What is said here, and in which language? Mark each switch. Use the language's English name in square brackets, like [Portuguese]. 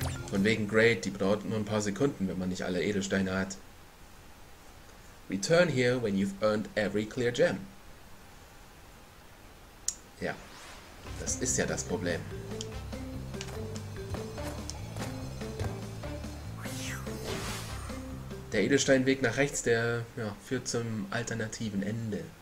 [German] Von wegen Great, die braucht nur ein paar Sekunden, wenn man nicht alle Edelsteine hat. [English] Return here when you've earned every clear gem. [German] Ja, das ist ja das Problem. Der Edelsteinweg nach rechts, der ja, führt zum alternativen Ende.